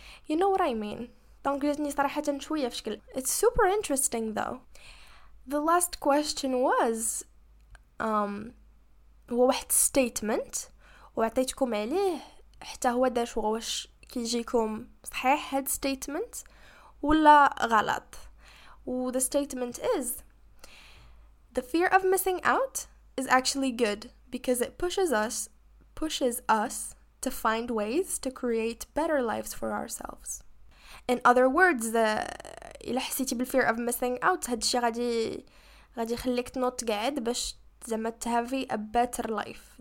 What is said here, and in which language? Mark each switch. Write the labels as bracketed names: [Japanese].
[English] You know what I mean? [Arabic] دونك جاتني صراحه شويه في شكل [English] it's super interesting though. The last question was [Arabic] هو واحد statement وعطيتكم عليه حتى هو دار شو واش كيجيكم صحيح هاد statement ولا غلط. [English] The statement is the fear of missing out is actually good because it pushes us to find ways to create better lives for ourselves. In other words, [Arabic] إلا حسيتي بالfear of missing out هادشي غادي يخليك تنوض تقعد باش زعما تهافي [English] a better life.